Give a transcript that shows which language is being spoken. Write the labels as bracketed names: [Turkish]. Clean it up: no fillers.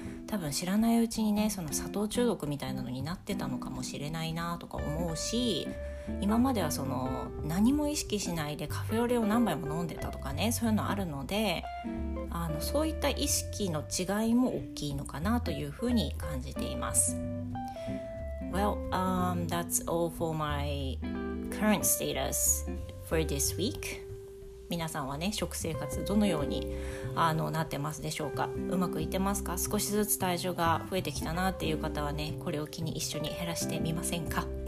[Japanese] 多分知らないうちにねその砂糖中毒みたいなのになってたのかもしれないなとか思うし、今まではその何も意識しないでカフェオレを何杯も飲んでたとかねそういうのあるのでそういった意識の違いも大きいのかなというふうに感じています。 [English] Well, that's all for my current status for this week. [Japanese] 皆さんはね食生活どのようになってますでしょうか。うまくいってますか。少しずつ体重が増えてきたなっていう方はねこれを機に一緒に減らしてみませんか。